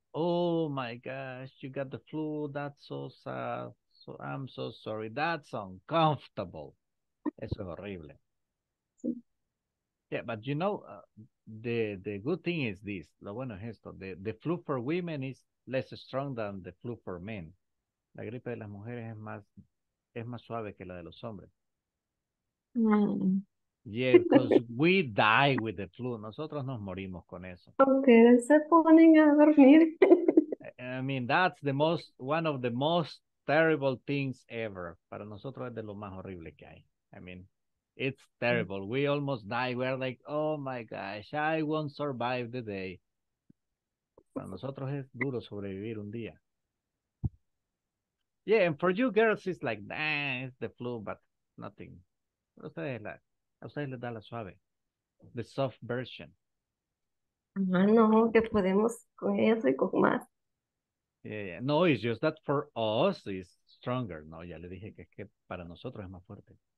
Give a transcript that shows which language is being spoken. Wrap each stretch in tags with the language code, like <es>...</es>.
<en>Oh my gosh, you got the flu, that's so sad. So I'm so sorry, that's uncomfortable.</en> <es>Eso es horrible. Sí.</es> <en>Yeah, but you know, the good thing is this,</en> <es>lo bueno es esto,</es> <en>the flu for women is less strong than the flu for men.</en> <es>La gripe de las mujeres es más suave que la de los hombres.</es> <en>Yeah, because we die with the flu.</en> <es>Nosotros nos morimos con eso. Okay, se ponen a dormir.</es> <en>I mean, that's the most, one of the most terrible things ever.</en> <es>Para nosotros es de lo más horrible que hay.</es> <en>I mean, it's terrible. We almost die. We're like, oh my gosh, I won't survive the day.</en> <es>Para nosotros es duro sobrevivir un día.</es> <en>Yeah, and for you girls, it's like, nah, it's the flu, but nothing.</en> <es>Ustedes les da la suave.</es> <en>The soft version.</en> <es>No, que podemos con eso y con más.</es> <en>Yeah, yeah. No, it's just that for us, it's stronger.</en> <es>No, ya le dije que para nosotros es más fuerte.</es>